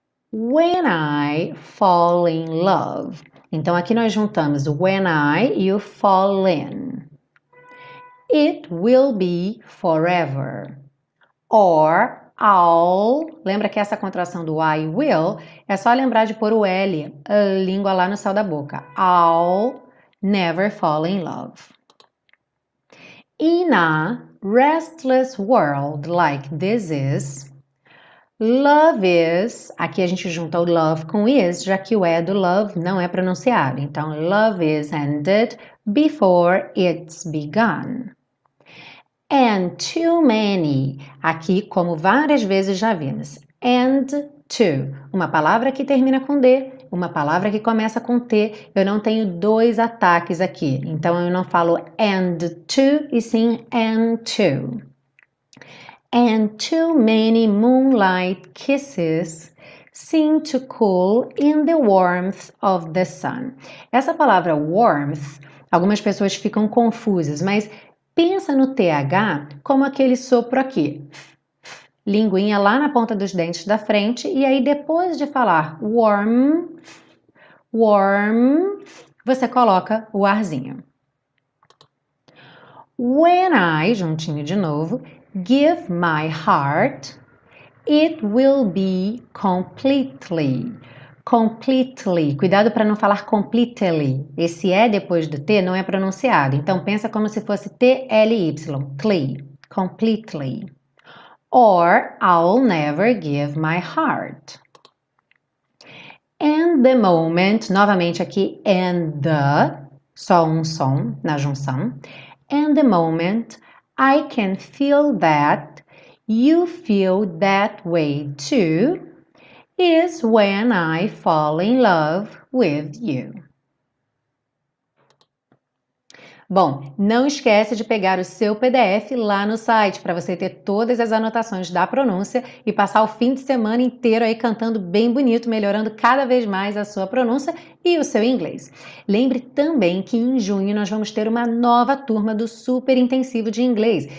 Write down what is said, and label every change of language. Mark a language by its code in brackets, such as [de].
[en] When I fall in love. [pt] Então aqui nós juntamos [en] when I e o fall in. It will be forever. Or I'll. [pt] Lembra que essa contração do I will é só lembrar de pôr o L, a língua lá no céu da boca. [en] I'll never fall in love. In a restless world like this is. [pt] Love is, aqui a gente junta o love com is, já que o E do love não é pronunciado. Então, [en] love is ended before it's begun. And too many, [pt] aqui como várias vezes já vimos. [en] And too, [pt] uma palavra que termina com D, uma palavra que começa com T. Eu não tenho dois ataques aqui, então eu não falo and too e sim and too. [en] And too many moonlight kisses seem to cool in the warmth of the sun. [pt] Essa palavra warmth, algumas pessoas ficam confusas, mas pensa no TH como aquele sopro aqui. Linguinha lá na ponta dos dentes da frente, e aí depois de falar warmth, warmth, você coloca o arzinho. [en] When I, [pt] juntinho de novo. [en] Give my heart, it will be completely. Completely. [pt] Cuidado para não falar completely. Esse E depois do T não é pronunciado. Então pensa como se fosse TLY. [en] Cle. Completely. Or I'll never give my heart. And the moment, [pt] novamente aqui, and the, só um som na junção. [en] And the moment. I can feel that you feel that way too, is when I fall in love with you. [pt] Bom, não esquece de pegar o seu PDF lá no site para você ter todas as anotações da pronúncia e passar o fim de semana inteiro aí cantando bem bonito, melhorando cada vez mais a sua pronúncia e o seu inglês. Lembre também que em junho nós vamos ter uma nova turma do Super Intensivo de Inglês.